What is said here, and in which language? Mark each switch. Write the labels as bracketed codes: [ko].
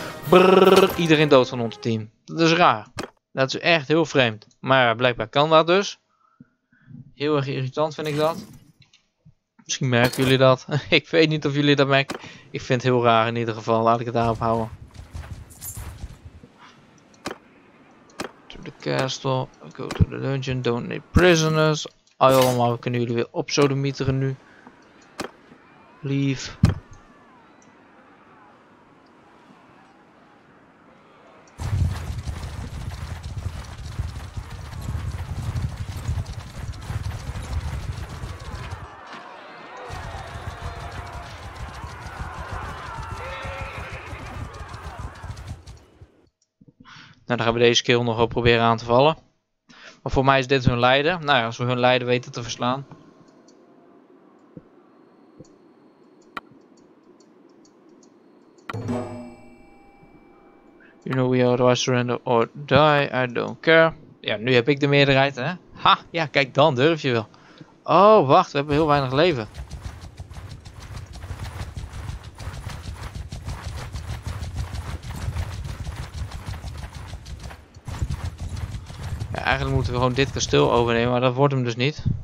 [nl] Brrr, iedereen dood van ons team. Dat is raar. Dat is echt heel vreemd. Maar blijkbaar kan dat dus. Heel erg irritant vind ik dat. Misschien merken jullie dat. Ik weet niet of jullie dat merken. Ik vind het heel raar in ieder geval. Laat ik het daarop houden. [en] De castle, go to the dungeon, don't need prisoners. [nl] Allemaal, we kunnen jullie weer opzodemieteren nu. [en] Leave. [nl] Nou, dan gaan we deze kill nog wel proberen aan te vallen. Maar voor mij is dit hun leider. Nou ja, als we hun leider weten te verslaan. [en] You know we are surrender or die, I don't care. [nl] Ja, nu heb ik de meerderheid, hè. Ha, ja, kijk dan, durf je wel. Oh, wacht, we hebben heel weinig leven. Eigenlijk moeten we gewoon dit kasteel overnemen, maar dat wordt hem dus niet.